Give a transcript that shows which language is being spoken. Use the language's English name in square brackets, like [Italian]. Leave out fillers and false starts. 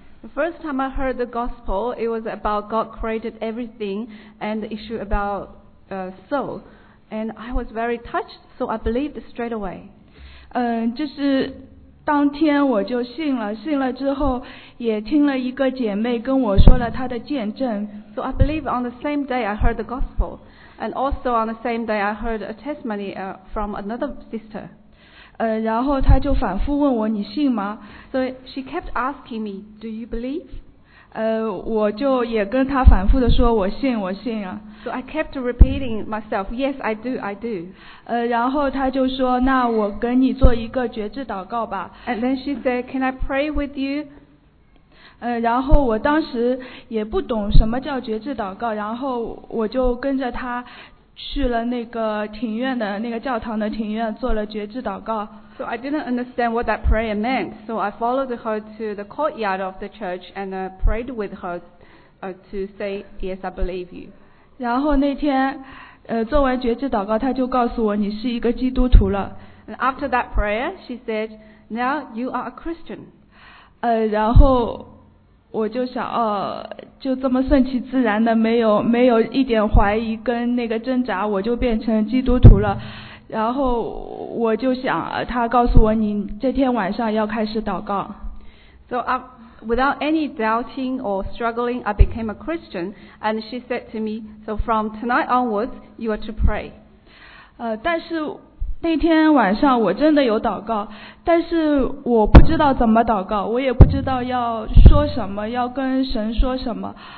[English] The first time I heard the gospel, it was about God created everything and the issue about soul, and I was very touched, so I believed straight away. [Chinese] 就是当天我就信了，信了之后也听了一个姐妹跟我说了她的见证。 [English] So I believe on the same day I heard the gospel. And also on the same day, I heard a testimony from another sister. [Chinese] 然后她就反复问我，你信吗？ [English] So she kept asking me, do you believe? [Chinese] 我就也跟她反复地说，我信，我信啊。 [English] So I kept repeating myself, yes, I do, I do. [Chinese] 然后她就说，那我跟你做一个决志祷告吧。 [English] And then she said, can I pray with you? [Chinese] 然后我当时也不懂什么叫决志祷告，然后我就跟着他去了那个庭院的那个教堂的庭院做了决志祷告。 [English] So I didn't understand what that prayer meant, so I followed her to the courtyard of the church and prayed with her to say, yes, I believe you. [Chinese] 然后那天做完决志祷告，他就告诉我你是一个基督徒了。 [English] And after that prayer, she said, now you are a Christian. [Chinese] 然后我就想，就这么顺其自然的，没有一点怀疑跟那个挣扎，我就变成基督徒了。然后我就想，他告诉我，你这天晚上要开始祷告。 [English] So without any doubting or struggling, I became a Christian. And she said to me, so from tonight onwards, you are to pray. [Chinese] 但是那天晚上我真的有祷告，但是我不知道怎么祷告，我也不知道要说什么，要跟神说什么。